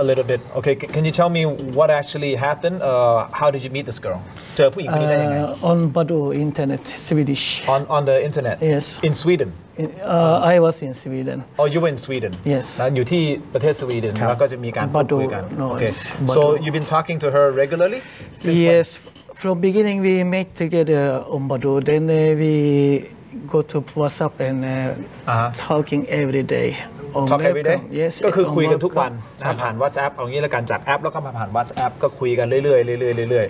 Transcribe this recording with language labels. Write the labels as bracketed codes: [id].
[en] a little bit okay can you tell me what actually happened how did you meet this girl [th] เจอผู้หญิงคนนี้ได้ยังไง [en] on Badoo internet Swedish on the internet yes in Sweden I was in Sweden oh you were in Sweden yes [th] อยู่ที่ประเทศสวีเดนแล้วก็จะมีการพูดคุยกัน [en] no, okay so you've been talking to her regularly since yes when? From beginning we met together on Badoo then we go to WhatsApp and talking every day talk every day yes [th] ก็คือคุยกันทุกวันผ่าน WhatsApp เอางี้ละกันจากแอปแล้วก็มาผ่าน WhatsApp ก็คุยกันเรื่อยๆเรื่อยๆเรื่อย